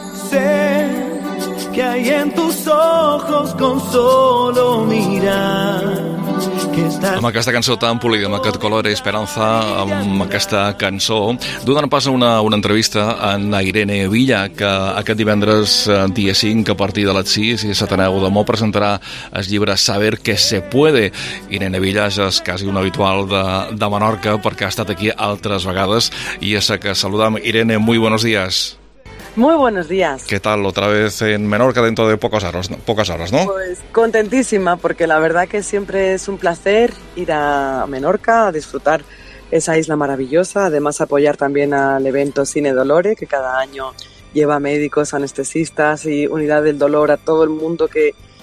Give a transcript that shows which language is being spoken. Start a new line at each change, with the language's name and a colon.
Spanish: Sé que hay en tus ojos con solo mirar.
Catalan: Amb aquesta cançó tan polida, amb aquest color Esperanza, amb aquesta cançó, donant pas a una entrevista a Irene Villa, que aquest divendres, dia 5, a partir de les 6, i a l'Ateneu de Mor, presentarà el llibre Saber que se puede. Irene Villa és quasi un habitual de Menorca, perquè ha estat aquí altres vegades, i és que saludam.
Spanish: Irene, muy buenos días. Muy buenos días. ¿Qué tal? Otra vez en Menorca dentro de pocas horas, ¿no? Pues contentísima, porque la verdad que siempre es un placer ir a Menorca a disfrutar esa isla maravillosa, además apoyar también al evento Cine Dolore, que cada año lleva médicos, anestesistas y unidad del dolor a todo el mundo que